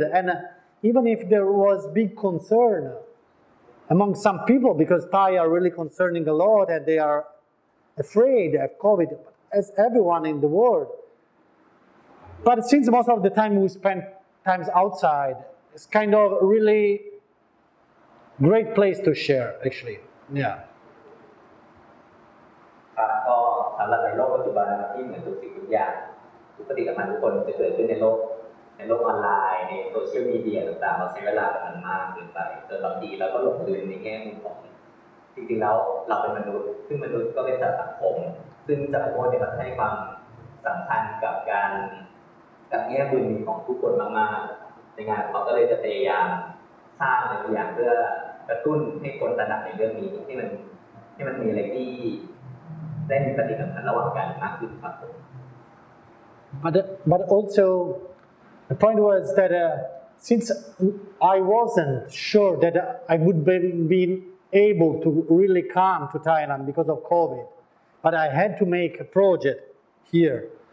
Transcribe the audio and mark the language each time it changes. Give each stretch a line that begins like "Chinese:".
English: And even if there was big concern,among some people, because Thai are really concerning a lot and they are afraid of COVID, as everyone in the world. But since most of the time we spend times outside, it's kind of a really great place to share, actually. Yeah.
Thai: ครับ ก็ สำหรับในโลกปัจจุบันที่เหมือนทุกสิ่งทุกอย่างทุกปฏิกรรมทุกคนจะเกิดขึ้นในโลกออนไลน์ในโซเชียลมีเดียต่างๆเราใช้เวลากันมากเกินไปจนบางทีเราก็หลงลืมในแง่มุมของจริงๆแล้วเราเป็นมนุษย์ซึ่งมนุษย์ก็เป็นสัตว์สังคมซึ่งจักรวาลเนี่ยมันให้ความสำคัญกับการ กับแง่มุมของทุกคนมากๆในงานเขาก็เลยจะพยายามสร้างอะไรบางอย่างเพื่อกระตุ้นให้คนตระหนักในเรื่องนี้ให้มันมีอะไรที่ได้มีปฏิสัมพันธ์ระหว่างกันมากขึ้นครับ
English: but alsoThe point was that since I wasn't sure that I would be able to really come to Thailand because of COVID, but I had to make a project here.